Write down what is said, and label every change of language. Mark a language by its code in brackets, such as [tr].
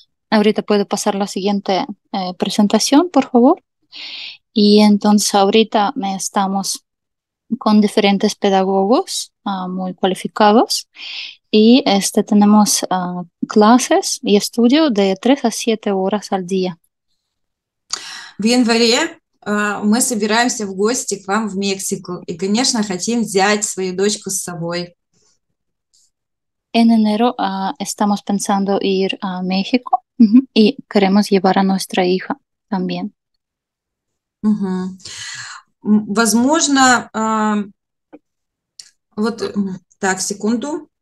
[es] Ahorita puedo pasar la siguiente presentación, por favor. Y entonces ahorita estamos con diferentes pedagogos muy cualificados. Y tenemos clases y estudio de 3 a 7 horas al día. [ru] В январе мы собираемся в гости к вам в Мексику и, конечно, хотим взять свою дочку с собой. [es] En enero estamos pensando ir a México y queremos llevar a nuestra hija también. [ru] Возможно, вот так, секунду.